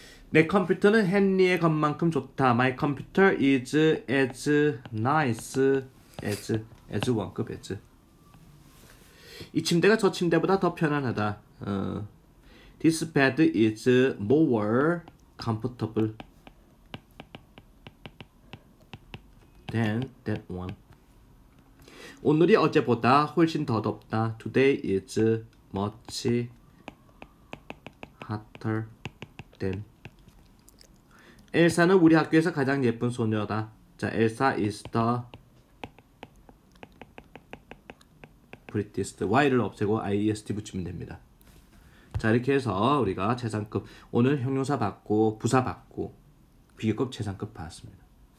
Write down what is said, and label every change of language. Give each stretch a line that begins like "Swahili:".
Korean: 내 컴퓨터는 헨리의 것만큼 좋다.
English: My computer is as nice as 원급 as.
Korean: 이 침대가 저 침대보다 더 편안하다.
English: This bed is more comfortable than that one.
Korean: 오늘이 어제보다 훨씬 더 덥다.
English: Today is much hotter than.
Korean: 엘사는 우리 학교에서 가장 예쁜 소녀다.
English: 자, 엘사 is the prettiest.
Korean: Y를 없애고 IEST 붙이면 됩니다. 자, 이렇게 해서 우리가 최상급, 오늘 형용사 받고, 부사 받고, 비교급 최상급 받았습니다.